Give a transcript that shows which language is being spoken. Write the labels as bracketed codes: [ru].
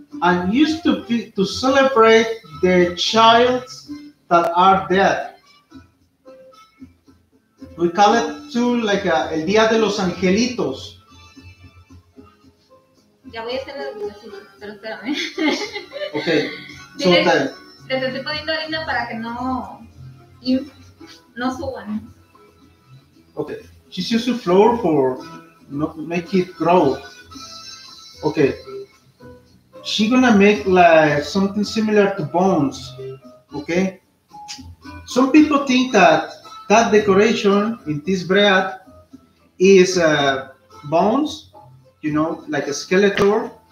[en] And used to celebrate the child that are dead. We call it too like a, [es] el día de los angelitos. Ya voy a hacer la pero espérame. Ok, total. Les estoy poniendo harina para que no, no suban. [en] Ok, she's used to flour for not make it grow. Ok, she's gonna make like something similar to bones. Ok, some people think that that decoration in this bread is bones, you know, like a skeleton.